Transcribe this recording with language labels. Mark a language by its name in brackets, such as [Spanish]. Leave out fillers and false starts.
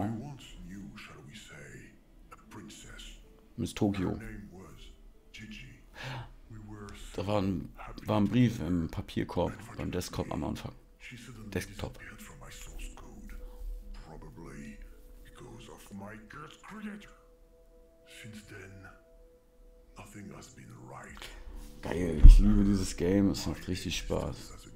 [English] I once knew, shall we say, a princess. Miss Tokyo. Her name was Gigi. We were so [German] da war ein Brief im Papierkorb beim Desktop am Anfang. Desktop. [English] From my source code. Probably because of my Earth creator. Since then, nothing has been right. [German] Geil, ich liebe dieses Game, es macht richtig Spaß.